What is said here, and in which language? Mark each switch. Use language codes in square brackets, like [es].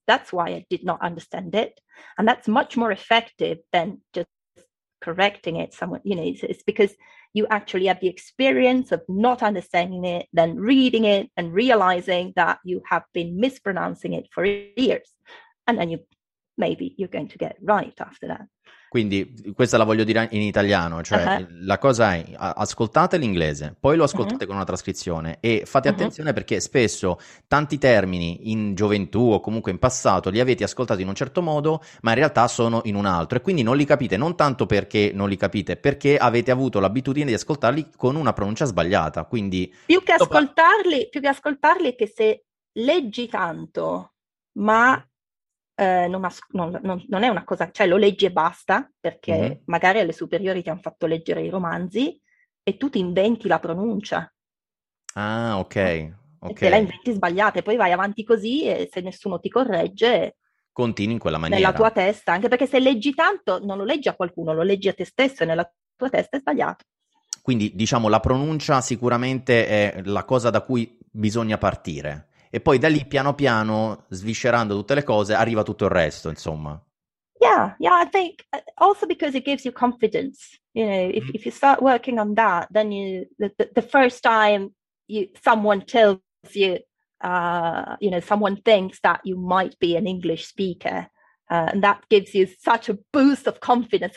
[en] That's why I did not understand it. And that's much more effective than just correcting it somewhat. You know, it's because you actually have the experience of not understanding it, then reading it and realizing that you have been mispronouncing it for years. And then maybe you're going to get right after that. [it] Quindi questa la voglio dire in italiano, cioè la cosa è, ascoltate l'inglese, poi lo ascoltate con una trascrizione e fate attenzione perché spesso tanti termini in gioventù o comunque in passato li avete ascoltati in un certo modo, ma in realtà sono in un altro e quindi non li capite, non tanto perché non li capite, perché avete avuto l'abitudine di ascoltarli con una pronuncia sbagliata, quindi... Più che ascoltarli, che se leggi tanto, ma... Non è una cosa, cioè lo leggi e basta, perché magari alle superiori ti hanno fatto leggere i romanzi e tu ti inventi la pronuncia. Ah, ok. E te la inventi sbagliata e poi vai avanti così e se nessuno ti corregge... Continui in quella maniera. Nella tua testa, anche perché se leggi tanto non lo leggi a qualcuno, lo leggi a te stesso e nella tua testa è sbagliato. Quindi, diciamo, la pronuncia sicuramente è la cosa da cui bisogna partire. E poi da lì, piano piano, sviscerando tutte le cose, arriva tutto il resto, insomma. [en] Yeah, I think also because it gives you confidence. You know, if you start working on that, then you the first time you someone tells you, you know, someone thinks that you might be an English speaker, and that gives you such a boost of confidence.